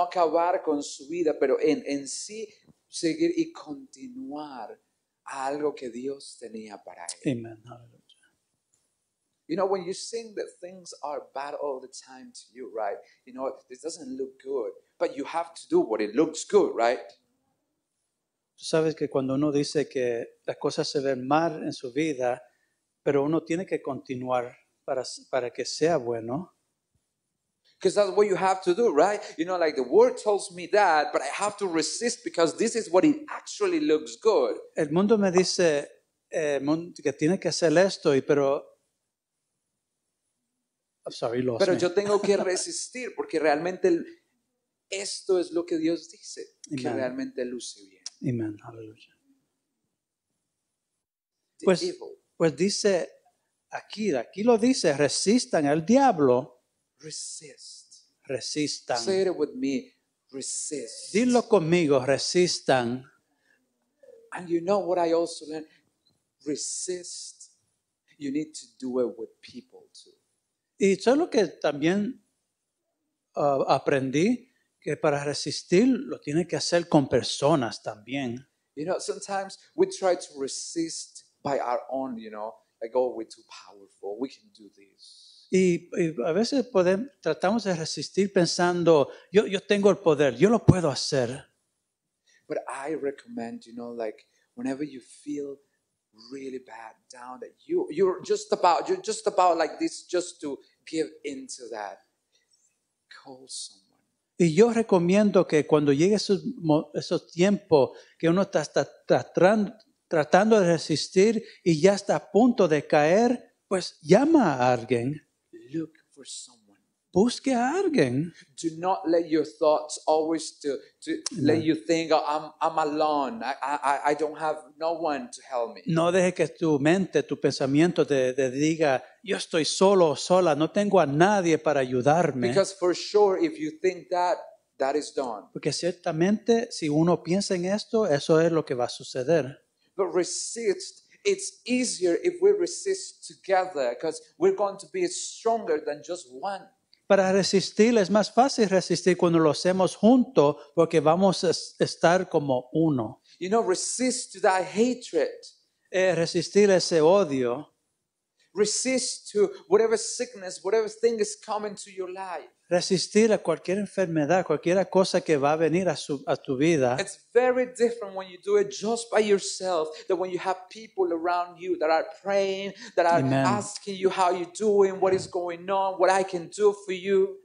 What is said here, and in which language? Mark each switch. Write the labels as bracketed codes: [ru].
[es] acabar con su vida, pero en sí seguir y continuar a algo que Dios tenía para él. Amen. Hallelujah. [en] You know, when you think that things are bad all the time to you, right? You know, this doesn't look good, but you have to do what it looks good, right? [es] Tú sabes que cuando uno dice que las cosas se ven mal en su vida, pero uno tiene que continuar para que sea bueno. [en] Because that's what you have to do, right? You know, like the world tells me that, but I have to resist because this is what it actually looks good. [es] El mundo me dice que tiene que hacer esto, pero... [en] I'm sorry, lost [es] pero [en] me. [es] Yo tengo que resistir porque realmente esto es lo que Dios dice, amen. Que realmente luce bien. Amen, hallelujah. Pues dice, aquí lo dice, resistan al diablo. Resistan. [en] Say it with me. Resist. [es] Dilo conmigo. Resistan. [en] And you know what I also learned? Resist. You need to do it with people too. [es] Y eso es lo que también aprendí, que para resistir lo tiene que hacer con personas también. [en] You know, sometimes we try to resist by our own, you know, like, oh, we're too powerful. We can do this. [es] Y a veces tratamos de resistir pensando, yo tengo el poder, yo lo puedo hacer. [en] But I recommend, you know, like whenever you feel really bad, down, that you're just about like this, just to give into that, call someone. [es] Y yo recomiendo que cuando llegue esos tiempos que uno está tratando de resistir y ya está a punto de caer, pues llama a alguien. [en] Look for someone. [es] Busque a alguien. [en] Do not let your thoughts always to let you think, oh, I'm alone. I don't have no one to help me. [es] No deje que tu mente, tu pensamiento te diga, yo estoy solo o sola, no tengo a nadie para ayudarme. [en] Because for sure, if you think that is done. [es] Porque ciertamente, si uno piensa en esto, eso es lo que va a suceder. [en] But resist. It's easier if we resist together because we're going to be stronger than just one. [es] Para resistir es más fácil resistir cuando lo hacemos junto porque vamos a estar como uno. [en] You know, resist to that hatred. [es] Resistir ese odio. [en] Resist to whatever sickness, whatever thing is coming to your life. [es] Resistir a cualquier enfermedad, cualquier cosa que va a venir a tu vida. [en] It's very different when you do it just by yourself than when you have people around you that are praying, that are Amen. Asking you how you're doing, what is going on, what I can do for you.